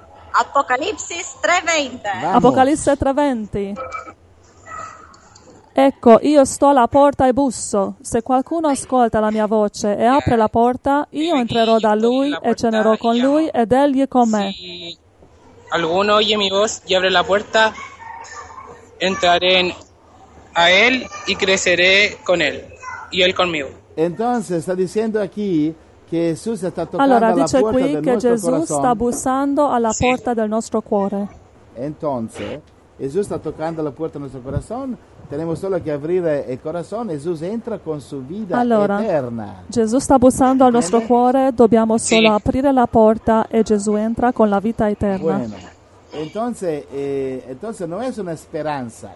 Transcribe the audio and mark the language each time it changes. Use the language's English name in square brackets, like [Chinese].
[Italian] Apocalisse 3:20. Apocalisse 3:20. Ecco, io sto alla porta e busso. Se qualcuno ascolta la mia voce e apre la porta, io entrerò da lui e cenerò con lui ed egli con me. [Spanish] Alguno oye mi voz y abre la puerta, entraré a él y creceré con él y él conmigo. Entonces está diciendo aquí que Jesús está tocando la puerta. [Italian] Allora dice qui che Gesù sta bussando alla porta del nostro cuore. [Spanish] Entonces [Italian] Gesù sta toccando la porta del nostro [Spanish] corazón. Tenemos solo que abrir el corazón. Jesús entra con su vida [Italian] allora, [Spanish] eterna. [Italian] Gesù sta bussando al nostro cuore. Dobbiamo solo aprire la porta e Gesù entra con la vita eterna. [Spanish] Bueno, entonces, entonces no es una esperanza.